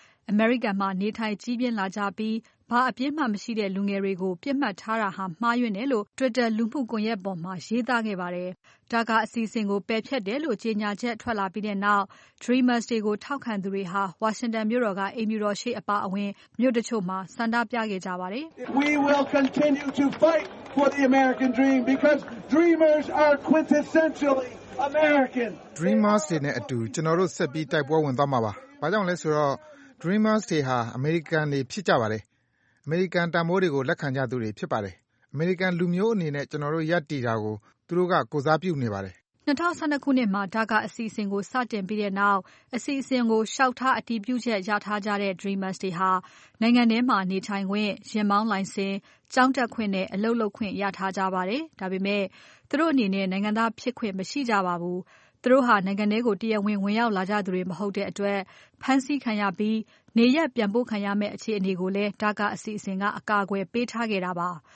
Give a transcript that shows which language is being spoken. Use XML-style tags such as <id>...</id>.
<my>အမေရိကန်မှာနေထိုင်ကြီးပြင်းလာကြပြီးဘာအပြစ်မှမရှိတဲ့လူငယ်တွေကိုပြစ်မှတ်ထားတာဟာမှားယွင်းတယ်လို့ Twitter လူမှုကွန်ရက်ပေါ်မှာရေးသားခဲ့ပါတယ်။ဒါကာအစီအစဉ်ကိုပယ်ဖျက်တယ်လို့ကြေညာချက်ထွက်လာပြီးတဲ့နောက် Dreamers တွေကိုထောက်ခံသူတွေဟာ Washington မြို့တော်ကအင်မြူတော်ရှေ့အပါအဝင်မြို့တချို့မှာဆန္ဒပြခဲ့ကြပါတယ်။</my> <en>We will continue to fight for the American dream because Dreamers are quintessentially American.</en> <my>Dreamers တွေနဲ့အတူကျွန်တော်တို့ဆက်ပြီးတိုက်ပွဲဝင်သွားမှာပါ။ဘာကြောင့်လဲဆိုတော့ Dreamers တွေဟာ American တွေဖြစ်ကြပါတယ်။အမေရိကန်တံမိုးတွေကိုလက်ခံကြသူတွေဖြစ်ပါတယ်။အမေရိကန်လူမျိုးအနေနဲ့ကျွန်တော်တို့ယက်တီတာကိုသူတို့ကကိုစားပြုနေပါတယ်။2012ခုနှစ်မှာဒါကာအစီအစဉ်ကိုစတင်ပြီးတဲ့နောက်အစီအစဉ်ကိုရှောက်ထားအတည်ပြုချက်ရထားကြတဲ့ Dreamers တွေဟာနိုင်ငံထဲမှာနေထိုင်ခွင့်၊ရင်မောင်းလိုင်စင်၊ကျောင်းတက်ခွင့်နဲ့အလုပ်လုပ်ခွင့်ရထားကြပါတယ်။ဒါပေမဲ့သူတို့အနေနဲ့နိုင်ငံသားဖြစ်ခွင့်မရှိကြပါဘူး။သူတို့ဟာနိုင်ငံထဲကိုတရားဝင်ဝင်ရောက်လာကြသူတွေမဟုတ်တဲ့အတွက်ဖမ်းဆီးခံရပြီးနေရက်ပြန်ပို့ခံရမယ့်အခြေအနေကိုလည်းဒါကာအစီအစဉ်ကအကာအကွယ်ပေးထားခဲ့တာပါ</my>